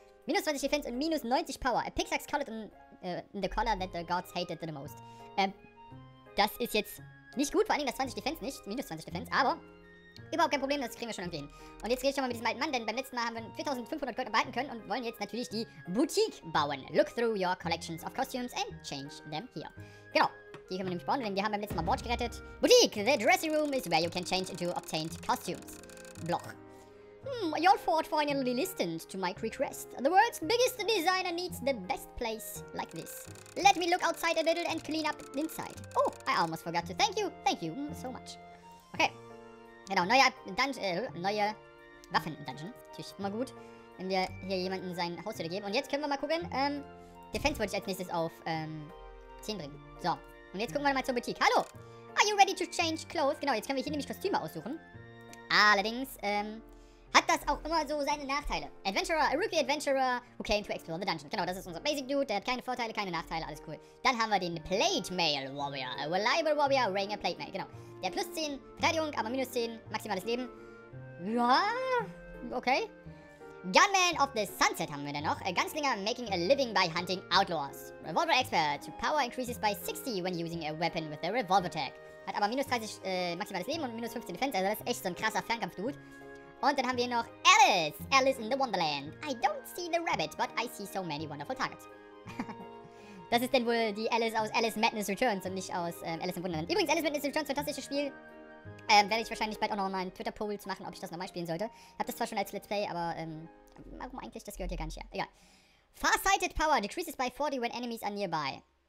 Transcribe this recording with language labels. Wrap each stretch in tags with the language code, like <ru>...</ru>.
<de>Minus 20 Defense und minus 90 Power.</de> <en>A pickaxe colored in the color that the gods hated the most.</en> <de>Das ist jetzt nicht gut, vor allem das 20 Defense nicht. Minus 20 Defense, aber überhaupt kein Problem, das kriegen wir schon irgendwie hin. Und jetzt rede ich schon mal mit diesem alten Mann, denn beim letzten Mal haben wir 4500 Gold erhalten können und wollen jetzt natürlich die Boutique bauen.</de> <en>Look through your collections of costumes and change them here.</en> <de>Genau, die können wir nämlich bauen, denn wir haben beim letzten Mal Bord gerettet.</de> <en>Boutique, the dressing room is where you can change into obtained costumes. Bloch. Your fort finally listened to my request. The world's biggest designer needs the best place like this. Let me look outside a little and clean up inside. Oh, I almost forgot to thank you so much.</en> <de>Okay. Genau, neue Waffen-Dungeon. Natürlich immer gut, wenn wir hier jemanden sein Haus wieder geben. Und jetzt können wir mal gucken. Defense wollte ich als nächstes auf 10 bringen. So, und jetzt gucken wir mal zur Boutique. Hallo!</de> <en>Are you ready to change clothes?</en> <de>Genau, jetzt können wir hier nämlich Kostüme aussuchen. Allerdings hat das auch immer so seine Nachteile.</de> <en>Adventurer, a rookie adventurer who came to explore the dungeon.</en> <de>Genau, das ist unser Basic Dude. Der hat keine Vorteile, keine Nachteile, alles cool. Dann haben wir den Plate Mail Warrior.</de> <en>A reliable warrior wearing a plate mail. Genau.</en> <de>Der plus 10 Verteidigung, aber minus 10 maximales Leben. Ja, okay.</de> <en>Gunman of the Sunset</en> <de>haben wir dann noch.</de> <en>A Gunslinger making a living by hunting outlaws. Revolver Expert. Power increases by 60 when using a weapon with a revolver tag.</en> <de>Hat aber minus 30 maximales Leben und minus 15 Defense. Also das ist echt so ein krasser Fernkampf-Dude. Und dann haben wir noch Alice. Alice in the Wonderland.</de> <en>I don't see the rabbit, but I see so many wonderful targets.</en> <de>Das ist denn wohl die Alice aus Alice Madness Returns und nicht aus Alice im Wunderland. Übrigens, Alice Madness Returns, fantastisches Spiel. Werde ich wahrscheinlich bald auch noch mal einen Twitter-Poll zu machen, ob ich das nochmal spielen sollte. Ich habe das zwar schon als Let's Play, aber warum eigentlich? Das gehört ja gar nicht her. Egal.</de> <en>Farsighted Power decreases by 40 when enemies are nearby.</en>